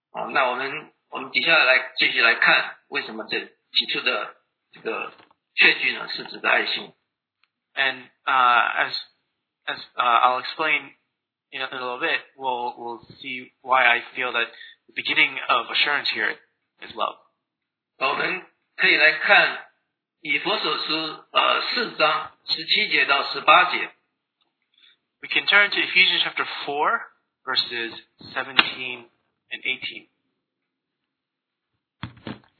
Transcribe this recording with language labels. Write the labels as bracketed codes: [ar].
[zh] 那我们底下来继续来看为什么这起初的这个确据呢是指的爱心。 [en] And as I'll explain in a little bit, we'll see why I feel that the beginning of assurance here is love. [zh] 我们可以来看以弗所书四章十七节到十八节。 [en] We can turn to Ephesians chapter 4, verses 17 and 18.